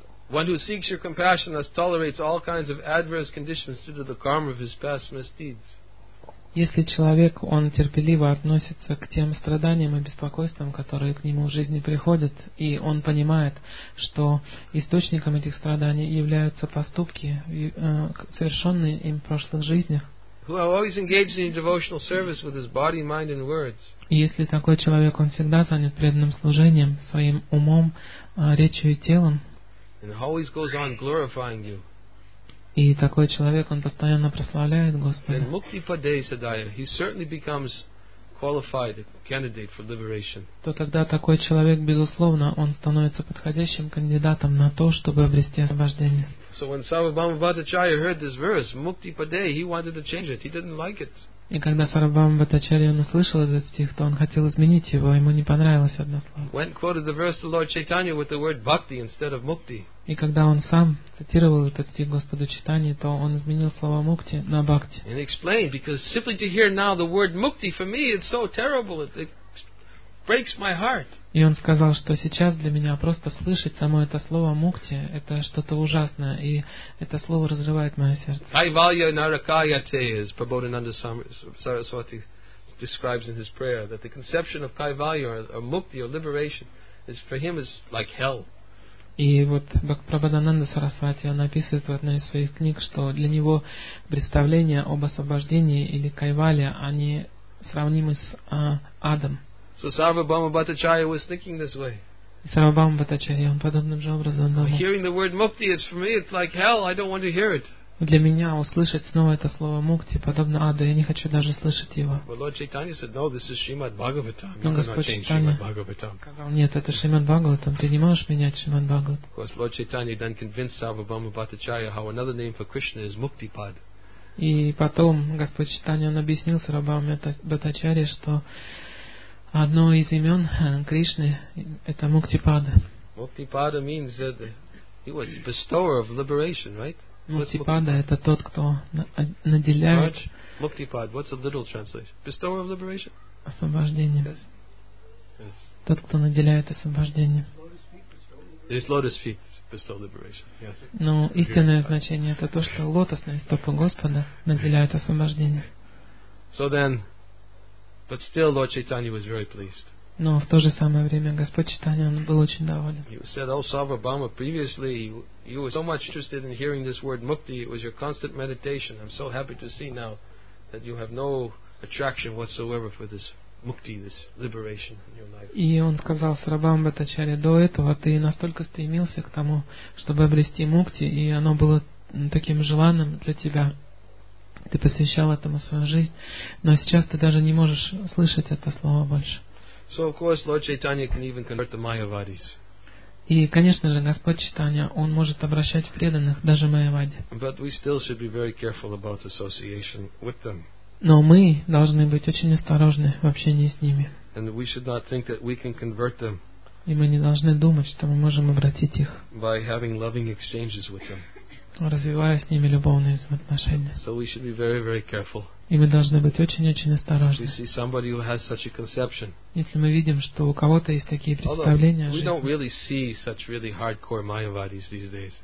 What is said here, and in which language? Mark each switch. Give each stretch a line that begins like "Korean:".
English: One who seeks your compassion thus tolerates all kinds of adverse conditions due to the karma of his past misdeeds.
Russian: Если человек, он терпеливо относится к тем страданиям и беспокойствам, которые к нему в жизни приходят, и он понимает, что источником этих страданий являются поступки, совершенные им в прошлых жизнях.
English: Who are always engaged in devotional service with his body, mind, and words.
Russian: Если такой человек, он всегда занят преданным служением своим умом, речью и телом.
English: And always goes on glorifying you.
Russian: И такой человек, он постоянно прославляет Господа.
English: Then Mukti Pade Sadaya, he certainly becomes qualified candidate for liberation.
Russian: То тогда такой человек, безусловно, он становится подходящим кандидатом на то, чтобы обрести освобождение.
English: So when Sarvabhauma Bhattacharya heard this verse, Mukti Pade, he wanted to change it. He didn't like it.
Russian: И когда Сарвабхаума Бхаттачарья услышал этот стих, то он хотел изменить его, ему не понравилось одно слово. И когда он сам цитировал этот стих Господу Читания, то он изменил слово мукти на бхакти.
English: And explained, because simply to hear now the word mukti for me, it's so terrible, it breaks my heart.
Russian: И он сказал, что сейчас для меня просто слышать само это слово мукти, это что-то ужасное, и это слово разрывает мое сердце.
English: Kaivalya Narakayate, as Prabodhananda Saraswati describes in his prayer, that the conception of Kaivalya or mukti or liberation is for him is like hell.
Russian: И вот Прабхадананда Сарасвати, он описывает в одной из своих книг, что для него представления об освобождении или кайвале, они сравнимы с адом.
English: So Sarvabhauma Bhattacharya was thinking this way.
Russian: Сарвабхаума Бхаттачарья, он подобным же образом думал.
English: Hearing the word mukti, it's for me, it's like hell, I don't want to hear it.
Russian: Для меня услышать снова это слово мукти, подобно аду, я не хочу даже слышать его.
English: But Lord Chaitanya said, no, this is Srimad Bhagavatam.
Russian: Но Господь Читания сказал, нет, это Шримад Бхагаватам, ты не можешь менять Шримад Бхагаватам.
English: Of course, Lord Chaitanya then convinced Sarvabhauma Bhattacharya how another name for Krishna is Muktipad.
Russian: И потом Господь Читания, он объяснил Сарвабхауме Бхаттачарье, что одно из имен Кришны это Муктипада.
English: Muktipada means that he was the bestower of liberation, right?
Russian: Муктипада — это тот, кто наделяет...
English: Муктипад, what's a literal translation? Bestower of liberation?
Russian: Освобождение.
English: Yes.
Russian: Тот, кто наделяет освобождением.
English: There's lotus feet. bestow liberation. Yes.
Russian: Но истинное значение это то, что лотосные стопы Господа наделяют освобождение.
English: So then, but still Lord Chaitanya was very pleased. Но в то же самое время Господь Чайтанья был очень доволен. He said, "Oh, Sarvabhauma, previously you were so much interested in hearing this word mukti. It was your constant meditation. I'm so happy to see now that you have no attraction whatsoever for this mukti, this liberation in your life."
Russian: И он сказал Сарабхам Бхаттачарья, до этого ты настолько стремился к тому, чтобы обрести мукти, и оно было таким желанным для тебя. Ты посвящал этому свою жизнь, но сейчас ты даже не можешь слышать это слово больше.
English: So of course, Lord Chaitanya can even convert the Mayavadis.
Russian: И, конечно же, Господь Чайтанья, он может обращать преданных, даже Майявади.
English: But we still should be very careful about association with them.
Russian: Но мы должны быть очень осторожны в общении с ними.
English: And we should not think that we can convert them.
Russian: И мы не должны думать, что мы можем обратить их.
English: By having loving exchanges with them.
Russian: Развивая с ними любовные взаимоотношения.
English: So we should be very, very careful.
Russian: И мы должны быть очень-очень осторожны.
English: See somebody who has such a conception.
Russian: Если мы видим, что у кого-то есть такие представления о жизни.
English: We don't really see such really hardcore Mayavadis these days.